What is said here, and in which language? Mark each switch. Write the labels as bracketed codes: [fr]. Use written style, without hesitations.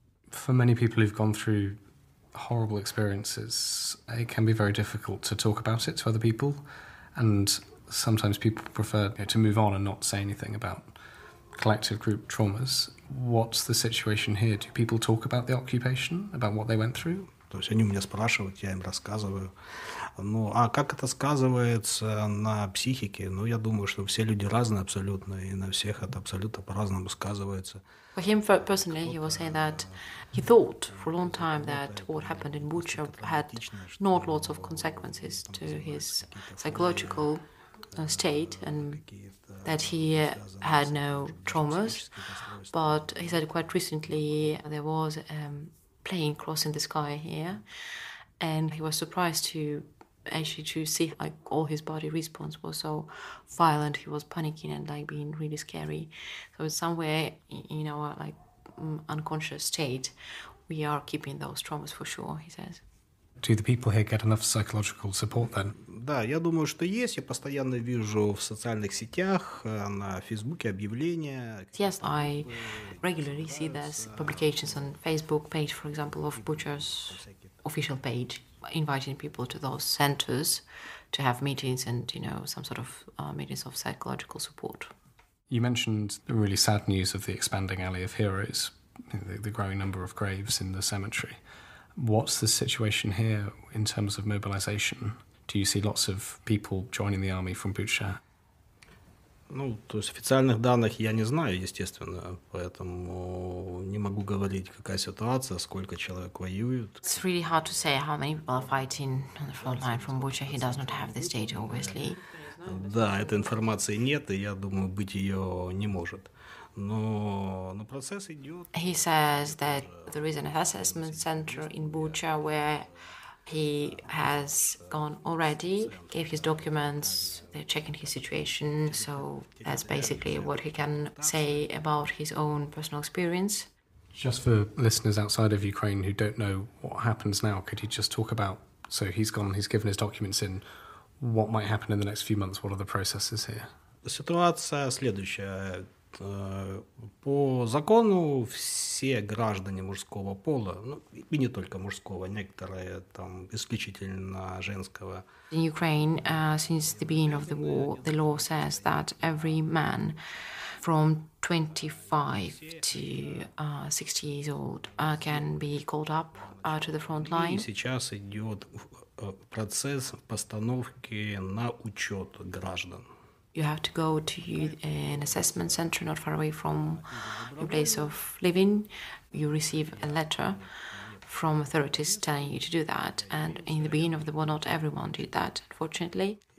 [en] For many people who've gone through horrible experiences, it can be very difficult to talk about it to other people. And sometimes people prefer, you know, to move on and not say anything about collective group traumas. What's the situation here? Do people talk about the occupation, about what they went through? [ru] То есть они у меня спрашивают, я им рассказываю. Ну, а как это сказывается на психике? Ну, я думаю, что все люди разные абсолютно, и на всех это абсолютно по-разному сказывается. [en] For him personally, he was saying that he thought for a long time that what happened in Bucha had not lots of consequences to his psychological state, and that he had no traumas, but he said quite recently there was a plane crossing the sky here, and he was surprised to actually to see like all his body response was so violent. He was panicking and like being really scary. So somewhere in our like unconscious state, we are keeping those traumas for sure, he says. Do the people here get enough psychological support then? [ru] Да, я думаю, что есть. Я постоянно вижу в социальных сетях, на Фейсбуке объявления. [en] Yes, I regularly see those publications on Facebook page, for example, of Butcher's official page, inviting people to those centers to have meetings and, you know, some sort of meetings of psychological support. You mentioned the really sad news of the expanding Alley of Heroes, the growing number of graves in the cemetery. What's the situation here in terms of mobilization? Do you see lots of people joining the army from Bucha? [ru] Ну, то есть официальных данных я не знаю, естественно, поэтому не могу говорить, какая ситуация, сколько человек воюют. [en] It's really hard to say how many people are fighting on the front line from Bucha. He does not have this data, obviously. [ru] Да, этой информации нет, и я думаю, быть ее не может. [en] He says that there is an assessment center in Bucha where he has gone already, gave his documents, they're checking his situation, so that's basically what he can say about his own personal experience. Just for listeners outside of Ukraine who don't know what happens now, could you just talk about, so he's gone, he's given his documents in, what might happen in the next few months, what are the processes here? The situation is the following. [ru] По закону все граждане мужского пола, ну, и не только мужского, некоторые там исключительно женского. [en] In Ukraine, since the beginning of the war, the law says that every man from 25 to 60 years old can be called up to the front line. [ru] И сейчас идет процесс постановки на учет граждан. [en] You have to go to an assessment center not far away from your place of living. You receive a letter from authorities telling you to do that. And in the beginning of the war, not everyone did that, unfortunately.